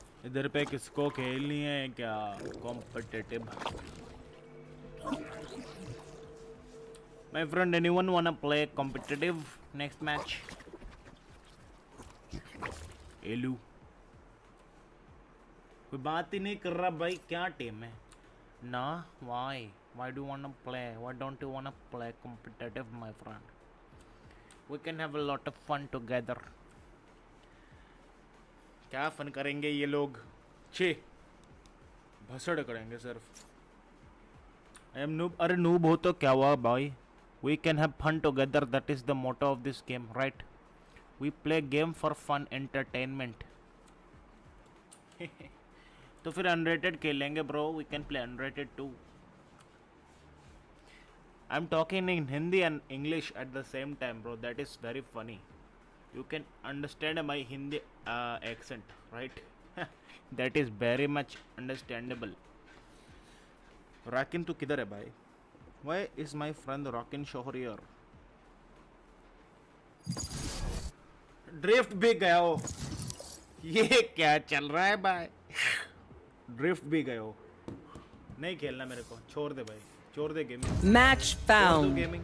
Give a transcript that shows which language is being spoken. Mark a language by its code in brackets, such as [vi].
[hi] इधर पे किसको खेलनी है क्या competitive [en] My friend, anyone wanna play competitive next match? Elu. [hi] कोई बात ही नहीं कर रहा भाई क्या टीम है? ना [en] why? Why do you wanna play? Why don't you wanna play competitive, my friend? We can have a lot of fun together. [hi] क्या फन करेंगे ये लोग? छे. भसड़ करेंगे सिर्फ. [en] I am noob. [hi] अरे noob हो तो क्या हुआ भाई? [en] We can have fun together. That is the motto of this game, right? We play game for fun, entertainment. [hi] तो फिर unrated खेलेंगे bro. [en] We can play unrated too. I am talking in Hindi and English at the same time, bro. That is very funny. You can understand my Hindi accent, right? That is very much understandable. [hi] राकिन तू किधर है भाई [en] Why is my friend Rockin Shohar here? [hi] Drift भी गया हो ये क्या चल रहा है भाई? ड्रिफ्ट भी गए हो? नहीं खेलना मेरे को, छोड़ दे भाई, छोड़ दे गेमिंग। Match found.